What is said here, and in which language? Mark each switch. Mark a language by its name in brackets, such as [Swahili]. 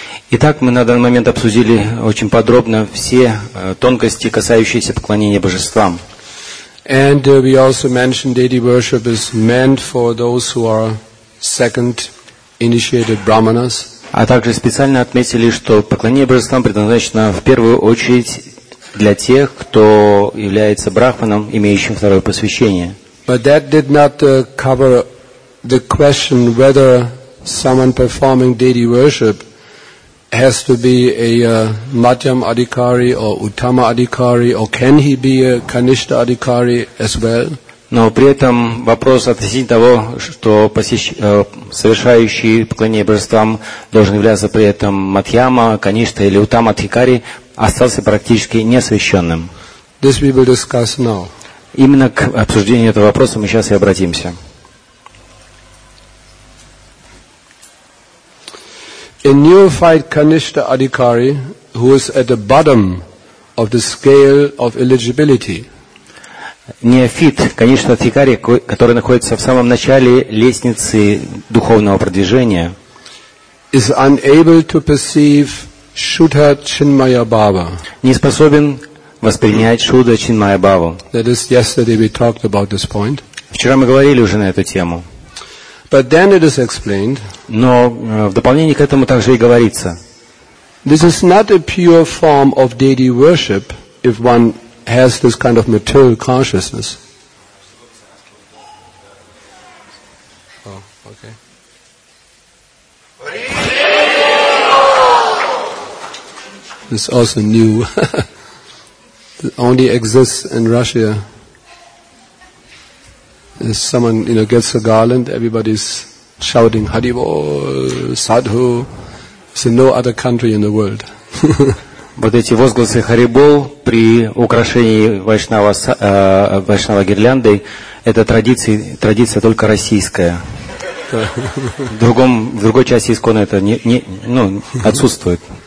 [Russian] Итак, мы на данный момент обсудили очень подробно все тонкости, касающиеся поклонения божествам. [English] And we also mentioned deity worship is meant for those who are second initiated brahmanas. [Russian] А также специально отметили, что поклонение божествам предназначено в первую очередь для тех, кто является брахманом, имеющим второе посвящение. [English] But that did not cover the question whether someone performing deity worship has to be a Madhyam Adhikari or Uttama Adhikari, or can he be a Kanishtha Adhikari as well? [Russian] Но при этом вопрос относительно того, что совершающий поклонение божествам должен являться при этом Мадхьяма, Каништа или Уттама Адхикари, остался практически неосвещенным. [English] This we will discuss now. [Russian] Именно к обсуждению этого вопроса мы сейчас и обратимся. [English] A neophyte Kanishtha Adhikari, who is at the bottom of the scale of eligibility. [Russian] Неофит, конечно, адхикари, который находится в самом начале лестницы духовного продвижения, [English] is unable to perceive Shuddha Chinmaya Bhava. [Russian] Не способен воспринять Шудха Чинмая Бхаву. [English] That is, yesterday we talked about this point. [Russian] Вчера мы говорили уже на эту тему. [English] But then it is explained. [Russian] Но в дополнение к этому также и говорится. [English] This is not a pure form of deity worship if one has this kind of material consciousness. Oh, okay. It's also new. It only exists in Russia. If someone, you know, gets a garland, everybody's shouting Hari Bol, Sadhu. It's in no other country in the world. [Russian] Вот эти возгласы Харибол при украшении вайшнава гирляндой – это традиция только российская. В другой части искона это не отсутствует.